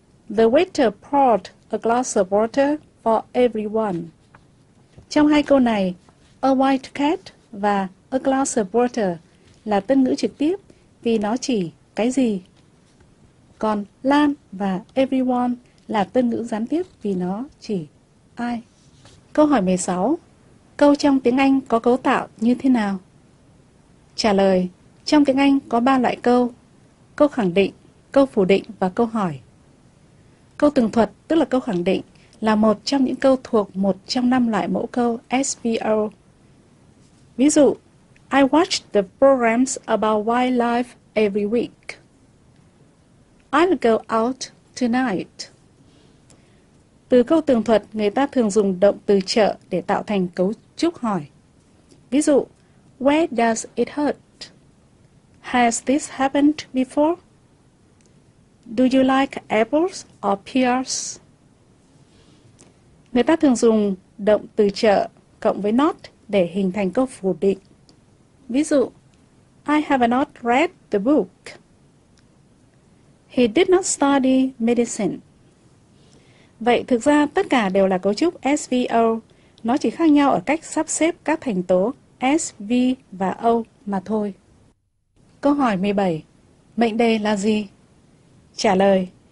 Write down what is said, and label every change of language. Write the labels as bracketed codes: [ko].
[en] The waiter poured a glass of water for everyone. [vi] Trong hai câu này, [en] a white cat [vi] và [en] a glass of water [vi] là tân ngữ trực tiếp vì nó chỉ cái gì. Còn Lan và everyone là tân ngữ gián tiếp vì nó chỉ ai. Câu hỏi 16. Câu trong tiếng Anh có cấu tạo như thế nào? Trả lời, trong tiếng Anh có 3 loại câu. Câu khẳng định, câu phủ định và câu hỏi. Câu tường thuật, tức là câu khẳng định, là một trong những câu thuộc một trong 5 loại mẫu câu SVO. Ví dụ, [en] I watch the programs about wildlife every week. I'll go out tonight. [vi] Từ câu tường thuật, người ta thường dùng động từ trợ để tạo thành cấu trúc hỏi. Ví dụ, [en] where does it hurt? Has this happened before? Do you like apples or pears? [vi] Người ta thường dùng động từ trợ cộng với not để hình thành câu phủ định. Ví dụ, [en] I have not read the book. He did not study medicine. [vi] Vậy thực ra tất cả đều là cấu trúc SVO. Nó chỉ khác nhau ở cách sắp xếp các thành tố S, V và O mà thôi. Câu hỏi 17. Mệnh đề là gì? Trả lời.